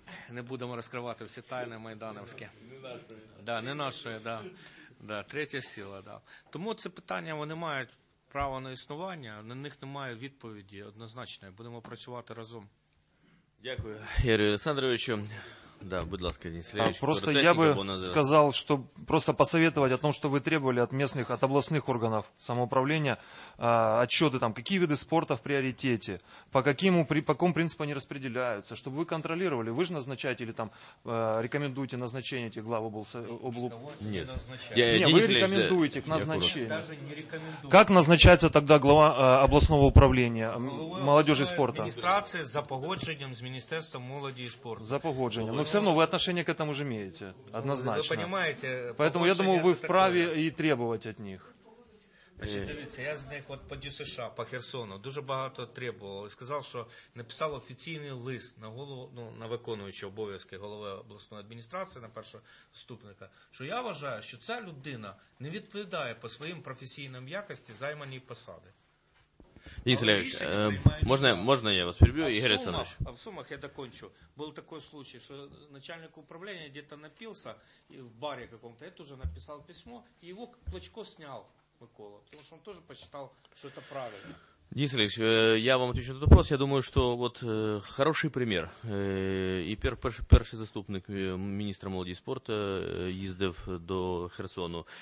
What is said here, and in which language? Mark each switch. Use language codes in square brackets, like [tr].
[uk] Не будемо розкривати всі тайни майдановські. Не нашої. Так, да, не нашої, третя сила. Да. Тому це питання, вони мають право на існування, на них немає відповіді однозначної. Будемо працювати разом. Дякую, Ігорю Олександровичу. Да, будь ласка, Денис Леонидович. [ru] Просто я бы сказал, что просто посоветовать о том, что вы требовали от местных, от областных органов самоуправления отчеты, там, какие виды спорта в приоритете, по какому принципу они распределяются, чтобы вы контролировали. Вы же назначаете или там рекомендуете назначение этих глав облуполномоченных? Нет. Нет, вы рекомендуете к назначению. Как назначается тогда глава областного управления молодежи и спорта? [uk] Администрация за погодженням с Министерством молоді і спорту. За погодженням. [ru] Но все равно вы отношение к этому же имеете, однозначно. Вы понимаете. Поэтому я думаю, вы вправе такое. И требовать от них. [uk] Дивіться, я з них от по ДЮСШ, по Херсону, дуже багато требував. Сказав, що написав офіційний лист на голову, ну, на виконуючого обов'язки голови обласної адміністрації, на першого ступника, що я вважаю, що ця людина не відповідає по своїм професійним якості займаній посади. Денис Ильич, можна я вас переб'ю, Ігор Александрович? [ru] А в Сумах я докончу. [uk] Був такий случай, що начальник управління где-то напився в барі якомусь, я теж написав письмо, і його Клочко зняв. [ru] Микола, потому что он тоже посчитал, что это правильно. Денис Ильич, я вам отвечу на этот вопрос. Я думаю, что вот хороший пример. И первый заступник министра молоді і спорту ездил до Херсону.